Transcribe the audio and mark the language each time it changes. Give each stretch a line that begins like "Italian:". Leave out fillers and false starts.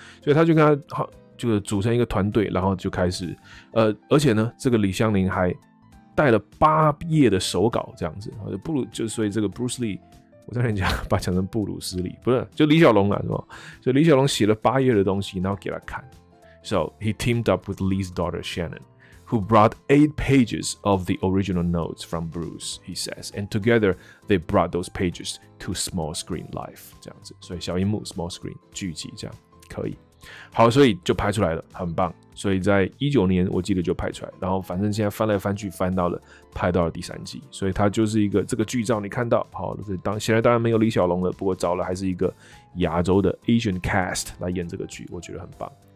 Chinese: 所以他就跟他就组成一个团队，然后就开始，而且呢，这个李祥宁还带了八页的手稿，这样子，不如就所以这个 Bruce Lee。我在人家把讲成布鲁斯里，不是就李小龙啦，是吧？所以李小龙写了八页的东西，然后给他看。
English: So he teamed up with Lee's daughter Shannon, who brought 8 pages of the original notes from Bruce. He says, and together they brought those pages to small screen life.
Chinese: 这样子，所以小荧幕 small screen 聚集这样可以。好，所以就拍出来了，很棒。所以在19年我记得就拍出来，然后反正现在翻来翻去翻到了拍到了第三季，所以它就是一个这个剧照你看到好了，当现在当然没有李小龙了，不过找了还是一个亚洲的 Asian cast 来演这个剧，我觉得很棒。